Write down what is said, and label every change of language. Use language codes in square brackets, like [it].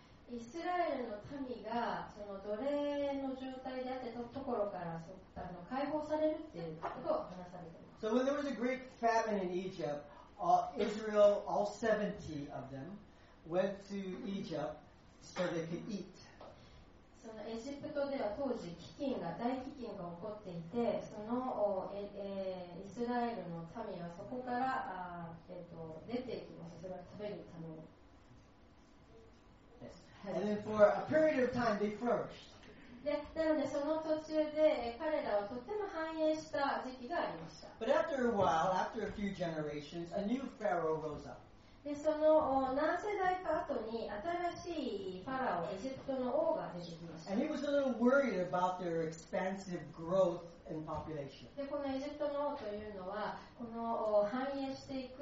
[en] So when there was a great famine in Egypt, Israel, all 70 of them, went to Egypt so they could eat. [ja] そのエジプトでは当時飢饉が大飢饉が起こっていて、そのイスラエルの民はそこから出ていきます。それは食べるために。 [en] Yes. And then for a period of time, they flourished. [ja] なのでその途中で彼らはとても繁栄した時期がありました。 [en] But after a while, after a few generations, a new pharaoh rose up. [ja] でその何世代か後に新しいファラオ、エジプトの王が出てきました。 [en] And he was a little worried about their expansive growth and population. [ja] でこのエジプトの王というのはこの繁栄して